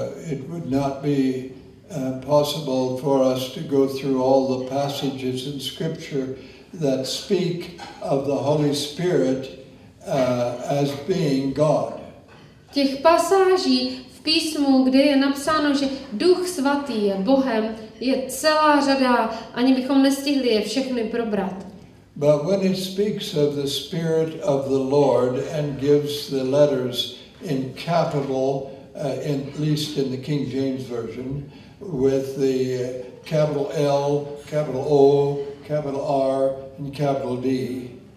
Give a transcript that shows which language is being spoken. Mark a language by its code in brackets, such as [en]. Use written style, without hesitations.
[en] It would not be possible for us to go through all the passages in scripture that speak of the Holy Spirit as being God. [cs] Těch pasáží v písmu, kde je napsáno, že Duch svatý je Bohem, je celá řada, ani bychom nestihli je všechny probrat. [en] But when it speaks of the Spirit of the Lord and gives the letters in capital, at least in the King James Version, with the capital L, capital O, capital R, and capital D.